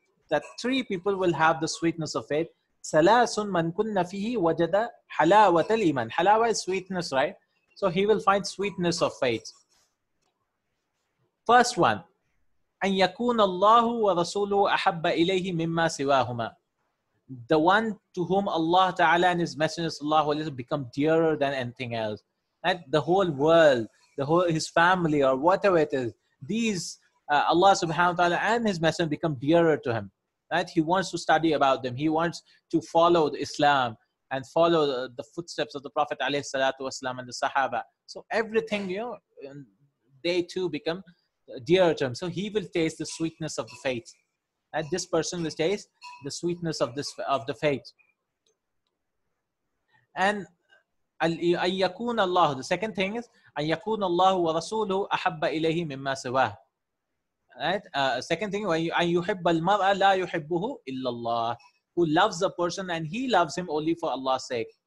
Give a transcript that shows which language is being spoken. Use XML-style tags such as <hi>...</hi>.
<en>That three people will have the sweetness of faith.</en> <ar>ثلاث من كن فيه وجد حلاوة الإيمان.</ar> <en>حلاوة is sweetness, right? So he will find sweetness of faith. First one.</en> <ar>أن يكون الله ورسوله أحب إليه مما سواهما.</ar> <en>The one to whom Allah Ta'ala and His Messenger Sallallahu Alaihi Wasallam become dearer than anything else. And the whole world, the whole his family or whatever it is, these Allah Subhanahu Wa Ta'ala and His Messenger become dearer to him. Right? He wants to study about them. He wants to follow the Islam and follow the footsteps of the Prophet Alayhi Salatu Wasalam and the Sahaba. So everything, you know, they too become dear to him. So he will taste the sweetness of the faith. And this person will taste the sweetness of this of the faith. And</en> <ar>أن يكون الله,</ar> <en>the second thing is</en> <ar>أن يكون الله ورسوله أحب إليه مما سواه.</ar> <en>Right? Second thing,</en> <ar>أن يحب المرء لا يحبه إلا الله.</ar> <en>Who loves a person and he loves him only for Allah's sake.</en>